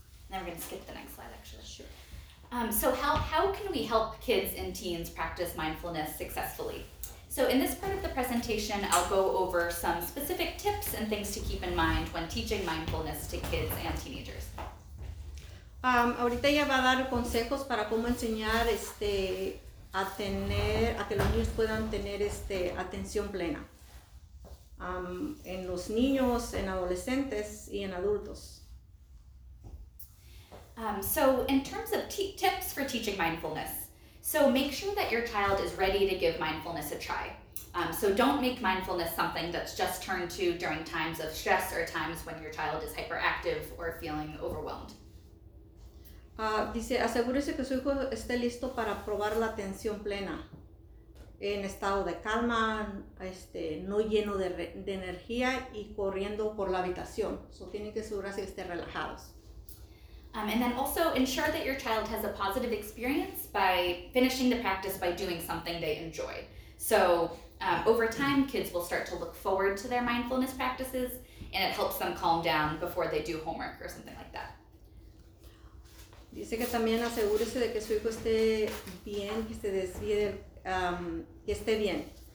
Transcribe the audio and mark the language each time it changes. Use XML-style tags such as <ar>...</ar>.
<en>Now we're going to skip the next slide, actually. Sure. So how can we help kids and teens practice mindfulness successfully? So in this part of the presentation, I'll go over some specific tips and things to keep in mind when teaching mindfulness to kids and teenagers.</en> <es>Ahorita ella va a dar consejos para cómo enseñar a que los niños puedan tener atención plena en los niños, en adolescentes y en adultos.</es> <en>So in terms of tips for teaching mindfulness, so make sure that your child is ready to give mindfulness a try. So don't make mindfulness something that's just turned to during times of stress or times when your child is hyperactive or feeling overwhelmed.</en> <es>Dice, asegúrese que su hijo esté listo para probar la atención plena, en estado de calma, no lleno de energía y corriendo por la habitación. So tienen que asegurarse que estén relajados.</es> <en>And then also ensure that your child has a positive experience by finishing the practice by doing something they enjoy. So over time, kids will start to look forward to their mindfulness practices and it helps them calm down before they do homework or something like that.</en> <es>Dice que también asegúrese de que su hijo esté bien, que se desvíe, que esté bien.</es>